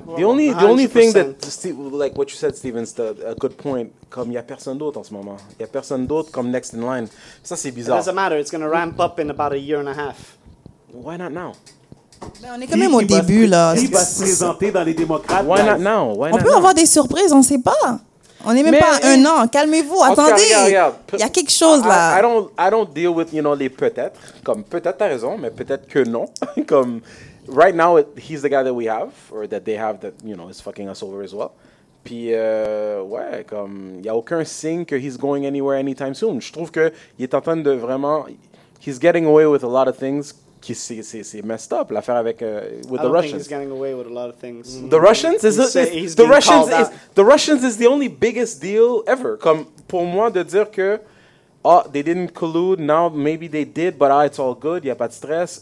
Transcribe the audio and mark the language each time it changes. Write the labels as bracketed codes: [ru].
[en] Well, the only thing that, like what you said, Steven, a good point. [fr] Comme il y a personne d'autre en ce moment. Il y a personne d'autre comme [en] next in line. [fr] Ça c'est bizarre. [en] It doesn't matter. It's gonna ramp up in about a year and a half. Why not now? [fr] Mais on est quand même au début là. Qui va se présenter dans les démocrates? [en] Why not now? Why not [fr] on peut [en] now? [fr] Avoir des surprises. On sait pas. On n'est même pas un an. Calmez-vous. Attendez. Il y a quelque chose là. [en] I don't deal with, you know, [fr] les peut-être. Comme peut-être t'as raison, mais peut-être que non. [en] Comme right now, he's the guy that we have, or that they have, that, you know, is fucking us over as well. [fr] Puis, ouais, comme, il n'y a aucun signe que [en] he's going anywhere anytime soon. [fr] Je trouve qu'il est en train de vraiment... [en] He's getting away with a lot of things. [fr] C'est [en] messed up, [fr] l'affaire avec... [en] With the Russians. I don't think he's getting away with a lot of things. Mm-hmm. The Russians? The Russians is the only biggest deal ever. [fr] Comme, pour moi, de dire que... [en] Oh, they didn't collude. Now, maybe they did, but it's all good. [fr] Il n'y a pas de stress.